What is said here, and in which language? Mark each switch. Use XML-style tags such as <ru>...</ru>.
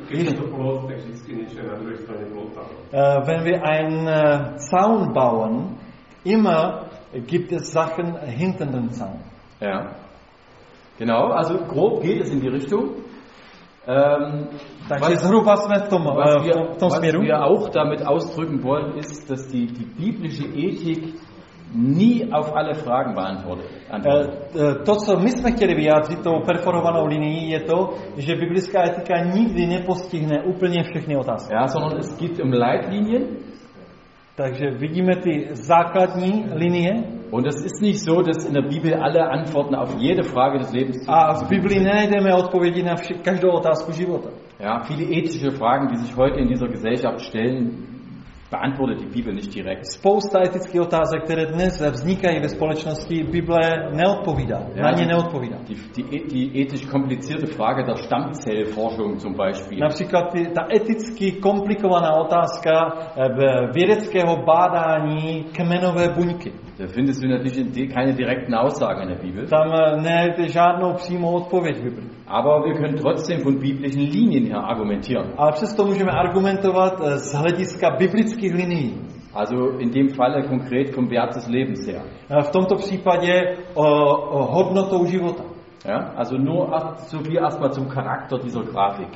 <de>Wenn wir einen Zaun bauen, immer gibt es Sachen hinter dem Zaun. Ja, genau. Also grob geht es in die Richtung. Was wir auch damit ausdrücken wollen, ist, dass die biblische Ethik nie auf alle Fragen beantwortet.</de> <cs>To, co my jsme chtěli vyjádřit tou perforovanou linií, je to, že biblická etika nikdy nepostihne úplně všechny otázky.</cs> <de>Ja, sondern es geht um Leitlinien.</de> <cs>Takže vidíme ty základní linie.</cs> <de>Und es ist nicht so, dass in der Bibel alle Antworten auf jede Frage des Lebens zu finden sind.</de> <cs>A v Biblii nenajdeme odpovědi na každou otázku života.</cs> <de>Ja, viele ethische Fragen, die sich heute in dieser Gesellschaft stellen, beantwortet die Bibel nicht direkt.</de> <cs>Spousta etických otázek, které dnes vznikají ve společnosti, Bible neodpovídá. Ja, na ně neodpovídá.</cs> <de>Die ethisch komplizierte Frage der Stammzellforschung zum Beispiel.</de> <cs>Například ta eticky komplikovaná otázka vědeckého bádání kmenové buňky.</cs> <de>Da findest du natürlich keine direkten Aussagen in der Bibel.</de> <cs>Tam nejde žádnou přímou odpověď v Biblii.</cs> <de>Aber wir können trotzdem von biblischen Linien her argumentieren.</de> <cs>Ale přesto můžeme argumentovat z hlediska biblické.</cs> <de>Also in dem Falle konkret vom Wert des Lebens her.</de> <cs>V tomto případě hodnotou života.</cs> <de>Ja, also nur so wie erstmal zum Charakter dieser Grafik.</de>